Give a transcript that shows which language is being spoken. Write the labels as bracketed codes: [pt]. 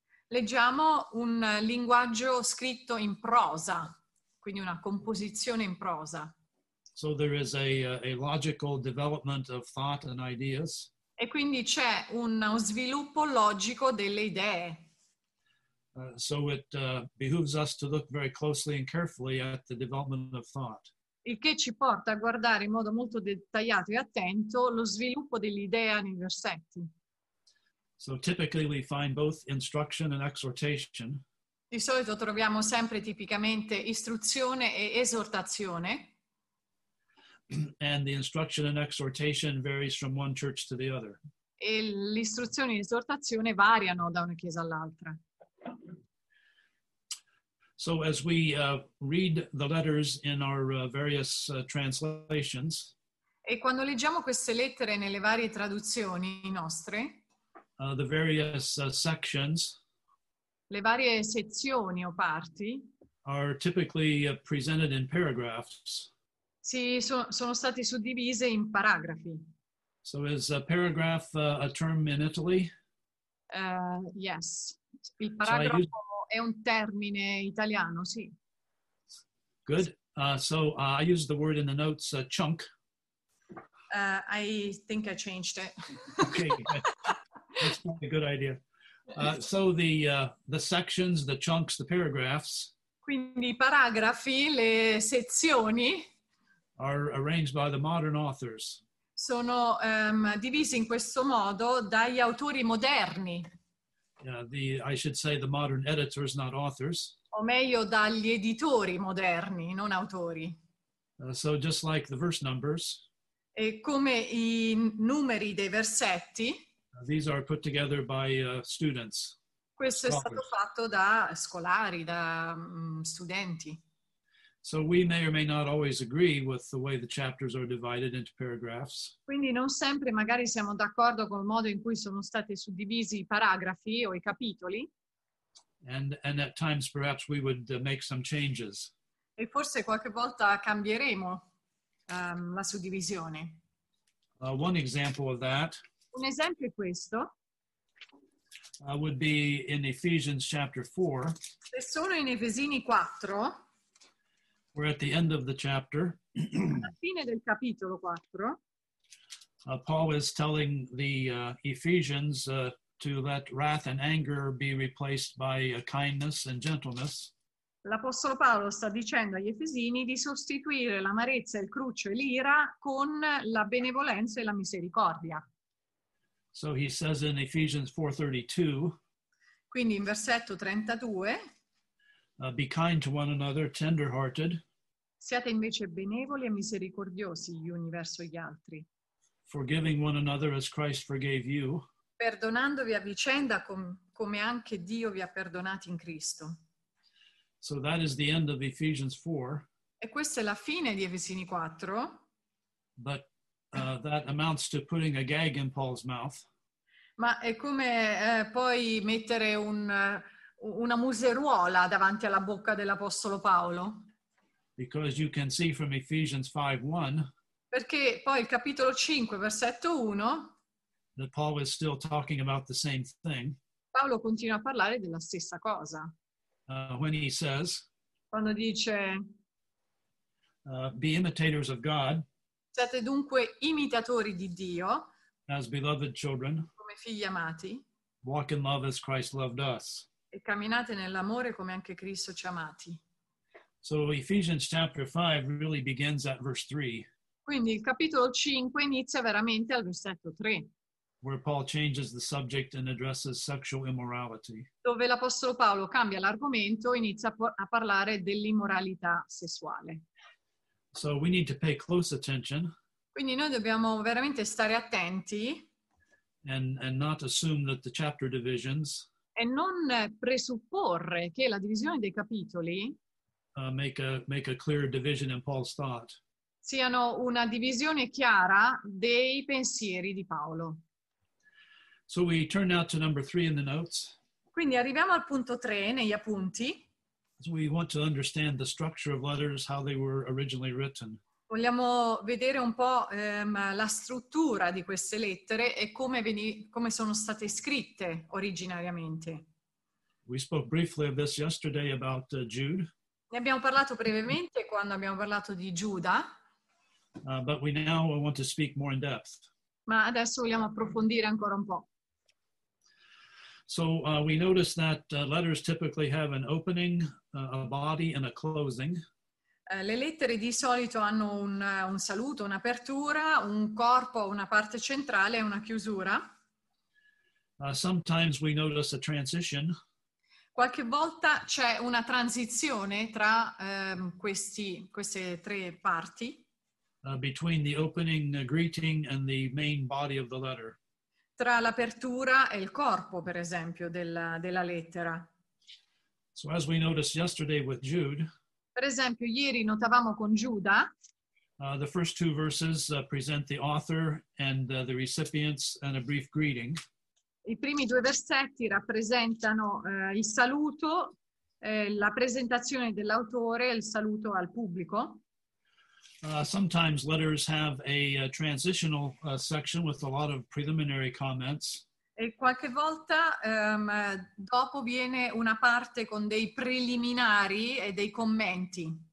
[it] Leggiamo un linguaggio scritto in prosa, quindi una composizione in prosa. [en] So there is a logical development of thought and ideas. [it] E quindi c'è uno sviluppo logico delle idee. [en] So it behooves us to look very closely and carefully at the development of thought. [it] Il che ci porta a guardare in modo molto dettagliato e attento lo sviluppo dell'idea nei versetti. [en] So typically we find both instruction and exhortation. [it] Di solito troviamo sempre tipicamente istruzione e esortazione. [en] And the instruction and exhortation varies from one church to the other. [it] E l'istruzione e l'esortazione variano da una chiesa all'altra. [en] So as we read the letters in our various translations, [it] e quando leggiamo queste lettere nelle varie traduzioni nostre, [en] the various sections, [it] le varie sezioni o parti, [en] are typically presented in paragraphs. [it] Sono state suddivise in paragrafi. [en] So is a paragraph a term in Italy? [it] Yes. Il paragrafo è un termine italiano, sì. [en] Good. So I use the word in the notes, chunk. I think I changed it. Okay. That's probably a good idea. So the sections, the chunks, the paragraphs. [it] Quindi i paragrafi, le sezioni, [en] are arranged by the modern authors. [it] Sono divisi in questo modo dagli autori moderni. [en] I should say the modern editors, not authors. [it] O meglio, dagli editori moderni, non autori. [en] So just like the verse numbers. [it] E come i numeri dei versetti. [en] These are put together by students. [it] Questo scholars. È stato fatto da scolari, da studenti. [en] So we may or may not always agree with the way the chapters are divided into paragraphs. [it] Quindi non sempre magari siamo d'accordo col modo in cui sono stati suddivisi i paragrafi o i capitoli. [en] And at times perhaps we would make some changes. [it] E forse qualche volta cambieremo la suddivisione. [en] One example of that. [it] Un esempio è questo. [en] Would be in Ephesians chapter 4. [it] Se sono in Efesini 4. [en] We're at the end of the chapter. [it] Alla fine del capitolo 4. [en] Paul is telling the Ephesians to let wrath and anger be replaced by kindness and gentleness. [it] L'apostolo Paolo sta dicendo agli Efesini di sostituire l'amarezza, il cruccio e l'ira con la benevolenza e la misericordia. [en] So he says in Ephesians 4:32. [it] Quindi in versetto 32. [en] Be kind to one another, tender-hearted. [it] Siate invece benevoli e misericordiosi gli uni verso gli altri. [en] Forgiving one another as Christ forgave you. [it] Perdonandovi a vicenda come anche Dio vi ha perdonati in Cristo. [en] So that is the end of Ephesians 4. [it] E questa è la fine di Efesini 4. [en] But that amounts to putting a gag in Paul's mouth. [it] Ma è come poi mettere una museruola davanti alla bocca dell'apostolo Paolo. [en] Because you can see from Ephesians 5:1. [it] Perché poi il capitolo 5 versetto 1. [en] That Paul is still talking about the same thing. [it] Paolo continua a parlare della stessa cosa. [en] When he says. [it] Quando dice. [en] Be imitators of God. [it] Siate dunque imitatori di Dio. [en] As beloved children. [it] Come figli amati. [en] Walk in love as Christ loved us. [it] E camminate nell'amore come anche Cristo ci ha amati. [en] So Ephesians chapter 5 really begins at verse 3. [it] Quindi il capitolo 5 inizia veramente al versetto 3. [en] Where Paul changes the subject and addresses sexual immorality. [it] Dove l'apostolo Paolo cambia l'argomento e inizia a parlare dell'immoralità sessuale. [en] So we need to pay close attention. [it] Quindi noi dobbiamo veramente stare attenti. [en] And not assume that the chapter divisions. [it] E non presupporre che la divisione dei capitoli. [en] Make a clear division in Paul's thought. [it] Siano una divisione chiara dei pensieri di Paolo. [en] So we turn now to number 3 in the notes. [it] Quindi arriviamo al punto 3 negli appunti. [en] So we want to understand the structure of letters, how they were originally written. [it] Vogliamo vedere un po' la struttura di queste lettere e come sono state scritte originariamente. [en] We spoke briefly of this yesterday about Jude. [it] Ne abbiamo parlato brevemente quando abbiamo parlato di Giuda. [en] But we now want to speak more in depth. [it] Ma adesso vogliamo approfondire ancora un po'. [en] So we notice that letters typically have an opening, a body, and a closing. [it] Le lettere di solito hanno un saluto, un'apertura, un corpo, una parte centrale e una chiusura. [en] Sometimes we notice a transition. [it] Qualche volta c'è una transizione tra queste tre parti. [en] Between the opening greeting and the main body of the letter. [it] Tra l'apertura e il corpo, per esempio, della lettera. [en] So as we noticed yesterday with Jude. [it] Per esempio, ieri notavamo con Giuda. [en] The first two verses present the author and the recipients and a brief greeting. [it] I primi due versetti rappresentano il saluto, la presentazione dell'autore e il saluto al pubblico. [en] Sometimes letters have a transitional section with a lot of preliminary comments. [it] E qualche volta dopo viene una parte con dei preliminari e dei commenti.